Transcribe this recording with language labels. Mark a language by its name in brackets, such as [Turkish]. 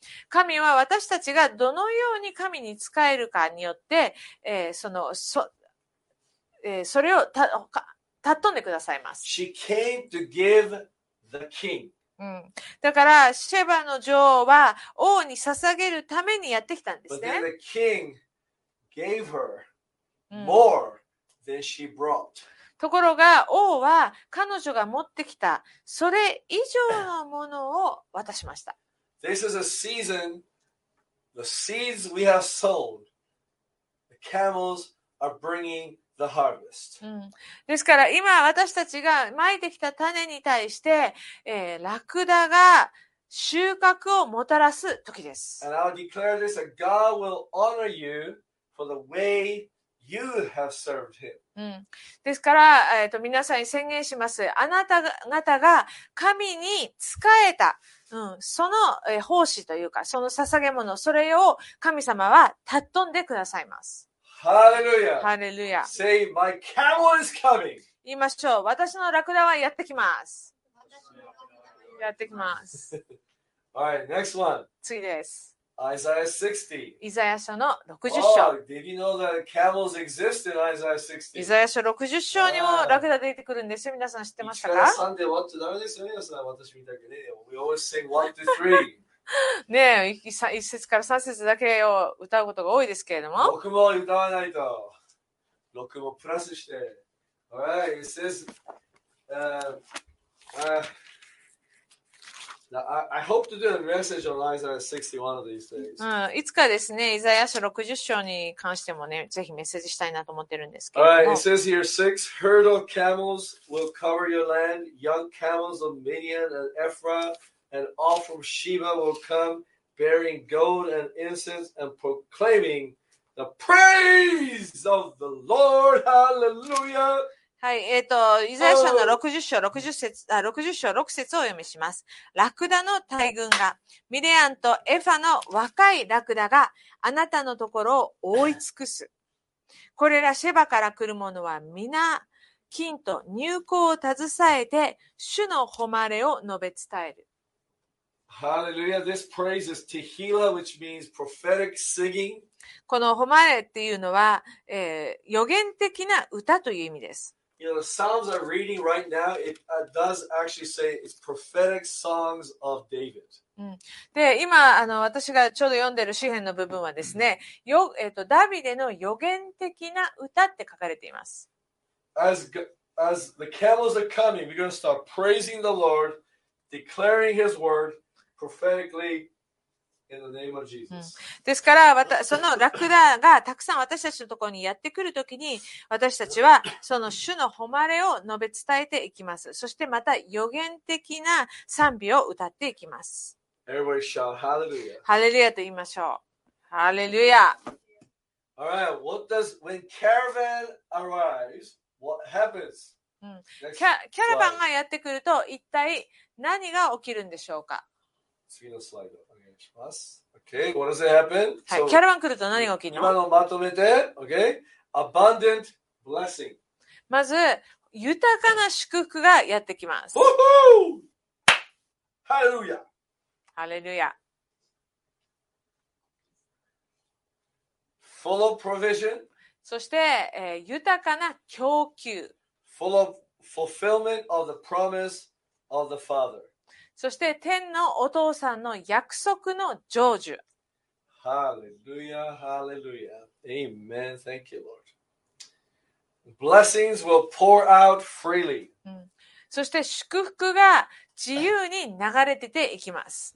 [Japanese] 神は私たちがどのように神に仕えるかによって、それをたっとんでくださいます。 [English] She came to give the king. [Japanese] だからシェバの女王は王に捧げるためにやってきたんですね。 [English] But then the king gave her more than she brought. [Japanese] ところが王は彼女が持ってきたそれ以上のものを渡しました。 [English] This is a season. The seeds we have sowed. The camels are bringing the harvest.、 [Japanese] うん、ですから今私たちが撒いてきた種に対して、ラクダが収穫をもたらす時です。 [English] And I'll declare this that God will honor you for the way you have served him. [Japanese] うん、ですから、皆さんに宣言します。あなた方が神に仕えた、うん、その、奉仕というか、その捧げ物、それを神様は尊んでくださいます。ハレルヤ。ハレルヤ。 [English] Say, my camel is coming. [Japanese] 言いましょう。私のラクダはやってきます。やってきます。 [English] All right, next one. [Japanese] 次です。 [English] Isaiah 60. [Japanese] イザヤ書の60章。 [English] Oh, did you know that camels exist in Isaiah 60? [Japanese] イザヤ書60章にもラクダ出てくるんですよ。皆さん知ってましたか？ 1から3で終わっちゃダメですよ。皆さん、私見たけど。 [English] We always sing 1 to 3. [Japanese] ねえ、1節から3節だけを歌うことが多いですけれども。 6も歌わないと。6もプラスして。 [English] Alright, it says, I hope to do a message on Isaiah 60 one of these days. [Japanese] いつかですね、イザヤ書60章に関してもね、ぜひメッセージしたいなと思ってるんですけど。 [English] Alright, it says here, six herd of camels will cover your land, young camels of Midian and Ephrah, and all from Sheba will come, bearing gold and incense and proclaiming the praise of the Lord. Hallelujah! [Japanese] はい、イザヤ書の60章、60節、あ、60章、6節をお読みします。ラクダの大群が、ミレアンとエファの若いラクダがあなたのところを覆い尽くす。これらシェバから来る者は皆、金と乳香を携えて、主の誉れを述べ伝える。 [English] ハレルヤ、This praise is Tehila, which means prophetic singing. [Japanese] この誉れっていうのは、予言的な歌という意味です。 [English] You know, the Psalms I'm reading right now, it does actually say it's prophetic songs of David.、 [Japanese] うん、で、今私がちょうど読んでる詩編の部分はですね、ダビデの予言的な歌って書かれています。 [English] As the camels are coming, we're going to start praising the Lord, declaring His word prophetically. In the name of Jesus. うん、 [Japanese] ですから、そのラクダがたくさん私たちのところにやってくるときに、私たちはその主の誉れを述べ伝えていきます。そしてまた予言的な賛美を歌っていきます。 [English] Everybody shout hallelujah. [Japanese] ハレルヤと言いましょう。ハレルヤ。 [English] All right, what does, when caravan arrives, what happens?、 [Japanese] うん、キャラバンがやってくると、一体何が起きるんでしょうか。次のスライド。 [English] Okay, what does it happen? [Japanese] はい、so, キャラバン来ると何が起きるの？今のまとめて、 [English] okay? Abundant blessing. [Japanese] まず、豊かな祝福がやってきます。 [English] Woohoo! Hallelujah! Hallelujah! Full of provision. [Japanese] そして、豊かな供給。 [English] Full of fulfillment of the promise of the Father. [Japanese] そして天のお父さんの約束の成就。 [English] ハレルヤ、ハレルヤ。Amen. Thank you, Lord. Blessings will pour out freely.、 [Japanese] うん、そして祝福が自由に流れてていきます。